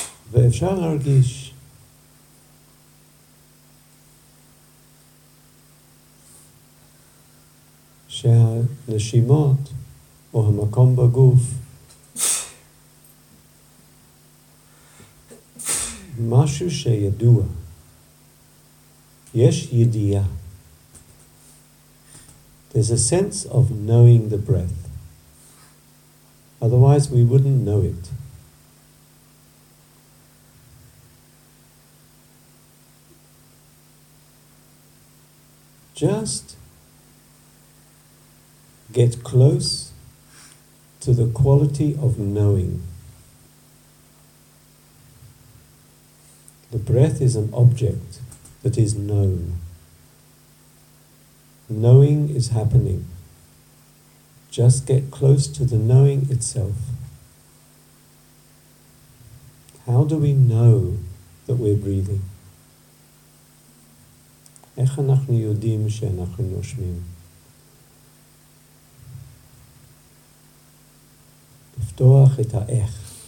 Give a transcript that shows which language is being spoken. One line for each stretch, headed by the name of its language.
Hebrew: ואפשר להרגיש שהנשימות או המקום בגוף משהו שידוע, יש ידיעה.
English: There's a sense of knowing the breath. Otherwise we wouldn't know it. Just get close to the quality of knowing. The breath is an object that is known. Knowing is happening. Just get close to the knowing itself. How do we know that we're breathing?
Hebrew: איך אנחנו יודעים שאנחנו נושמים? לפתוח את האיך.